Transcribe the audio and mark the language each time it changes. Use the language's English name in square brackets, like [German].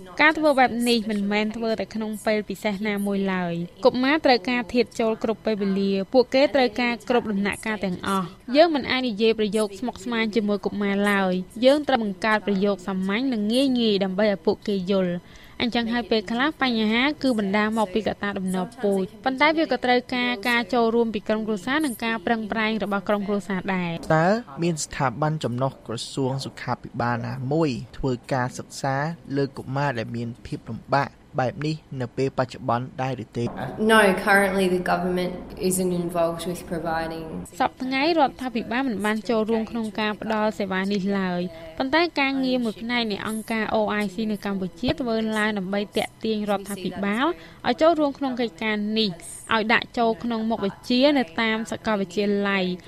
[Khmer] ការធ្វើបែបនេះមិនមែនធ្វើតែក្នុងពេលពិសេសណាមួយឡើយកុមារត្រូវការធៀបចូលគ្រប់ពេលវេលាពួកគេត្រូវការគ្រប់ដំណាក់កាលទាំងអស់យើងមិនអាចនិយាយប្រយោគស្មុគស្មាញជាមួយកុមារឡើយយើងត្រូវបង្កើតប្រយោគសាមញ្ញនិងងាយងាយដើម្បីឲ្យពួកគេយល់អញ្ចឹងហើយពេលខ្លះបញ្ហាគឺបណ្ដាលមកពីកត្តាដំណពូចប៉ុន្តែវាក៏ត្រូវការការចូលរួមពីក្រុមគ្រួសារនិងការប្រឹងប្រែងរបស់ក្រុមគ្រួសារដែរ តើមានស្ថាប័នចំណុះក្រសួងសុខាភិបាលណាមួយធ្វើការសិក្សាលើកុមារដែលមានភាពលំបាកបែបនេះនៅពេលបច្ចុប្បន្នដែរឬទេ [English] No currently the government isn't involved with providing [Khmer] សប្តាហ៍នេះរដ្ឋាភិបាលមិនបានចូលរួមក្នុងការផ្តល់សេវានេះឡើយប៉ុន្តែការងារមួយផ្នែកនៃអង្គការ OIC នៅកម្ពុជាធ្វើឡើងដើម្បីទាក់ទាញរដ្ឋាភិបាលឲ្យចូលរួមក្នុងកិច្ចការនេះឲ្យដាក់ចូលក្នុងមុខវិជ្ជានៅតាមសាកលវិទ្យាល័យ